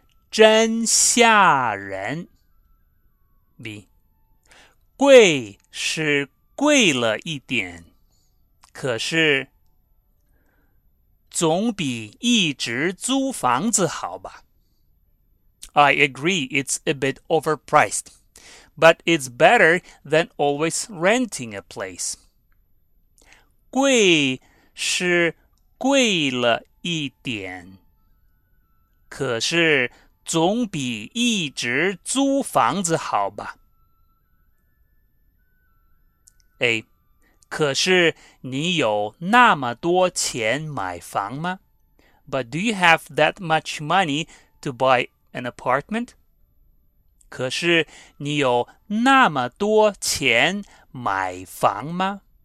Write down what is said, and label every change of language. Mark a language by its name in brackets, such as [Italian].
[Chinese] 真吓人。B. 贵是贵了一点。可是总比一直租房子好吧。 [English] I agree, it's a bit overpriced. But it's better than always renting a place. [Chinese] 贵是贵了一点。可是总比一直租房子好吧。 A. 可是你有那么多钱买房吗? [English] But do you have that much money to buy an apartment? [Chinese] 可是你有那么多钱买房吗?